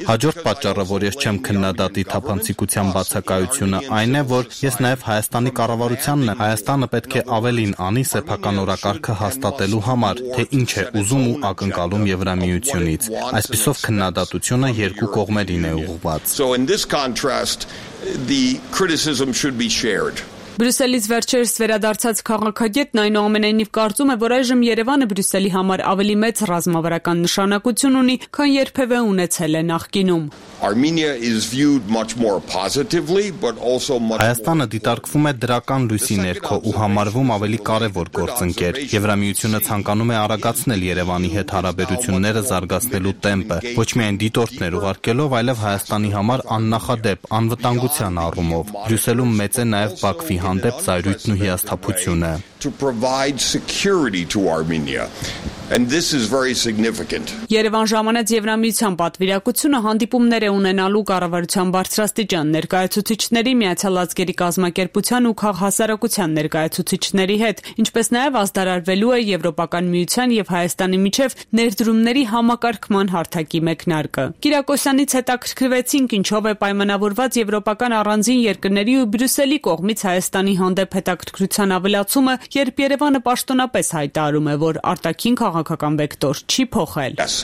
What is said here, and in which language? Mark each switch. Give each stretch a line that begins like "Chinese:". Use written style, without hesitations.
Armenian: Հաջորդ պատճառը, որ ես չեմ քննադատի թափանցիկության բացակայությունը, այն է, որ ես նաև Հայաստանի կառավարությանն եմ։ Հայաստանը պետք է ավելին անի սեփական օրակարգը հաստատելու համար, թե ինչ է ուզում ու ակնկալում Եվրամիությունից։ Այսպիսով քննադատությունը երկու կողմերին է ուղղված։ Բրյուսելից վերջերս վերադարձած քաղաքագետն այնուամենայնիվ կարծում է, որ այժմ Երևանը Բրյուսելի համար ավելի մեծ ռազմավարական նշանակություն ունի, քան երբևէ ունեցել է նախկինում.
English: Armenia is viewed much more positively, but also much more.
Armenian: Հայաստանը դիտարկվում է դրական լույսի ներքո ու համարվում ավելի կարևոր գործընկեր։ Եվրամիությունը ցանկանում է արագացնել Երևանի հետ հարաբերությունները զարգացնելու տեմպը, ոչ միայն դիտորդներ ուղարկելով, այլև Հայաստանի համար աննախադեպ անվտանգության առումով։ Բրյուսելում մեծ է նաև Բաքվի հանդեպ զայրույթն ու հիասթափությունը.
English: To provide security to Armenia. And this is very significant.
Armenian: Երևան ժամանեց Եվրամիության պատվիրակությունը հանդիպումներ է ունենալու կառավարության բարձրաստիճան ներկայացուցիչների, Միացյալ Ազգերի կազմակերպության ու քաղհասարակության ներկայացուցիչների հետ, ինչպես նաև ազդարարվելու է Եվրոպական Միության եւ Հայաստանի միջև ներդրումների համակարգման հարթակի մեկնարկը։ Կիրակոսյանից հետաքրքրվեցինք, ինչով է պայմանավորված Եվրոպական առանձին երկրների ու Բրյուսելի կողմից Հայաստանի հանդեպ հետաքրքրության ավելացումը, երբ Երևանը պաշտոնապես հայտարարում է, որ արտաքին քաղաքական վեկտոր չի փոխել։